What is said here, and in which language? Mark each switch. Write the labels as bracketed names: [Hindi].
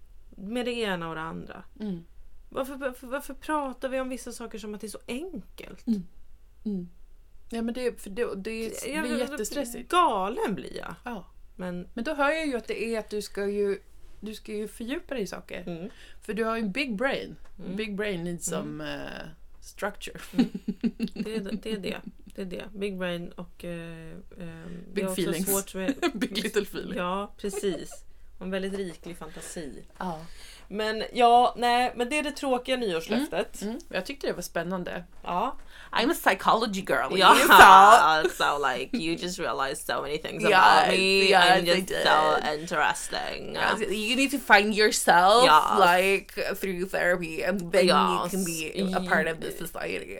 [Swedish] Med det ena och det andra. Varför pratar vi om vissa saker som att det är så enkelt? Ja, men det är jättestressigt. Galen blir jag. Ja. Men då hör jag ju att det är att du ska ju fördjupa dig i saker. För du har ju en [English] big brain. Big brain needs some structure. [Swedish] Det är det. [English] Big brain [Swedish] och [English] big feelings. [Swedish] Svårt med, [English] big little feeling. [Swedish] Ja, precis. En väldigt riklig fantasi. Ja. Men ja, nej, men det är det tråkiga nyårslöftet. Jag tyckte det var spännande. Ja. [English] I'm a psychology girl. So like you just realized so many things about me. Yes, and just so interesting. Yes. You need to find yourself like through therapy and then you can be a part of the society.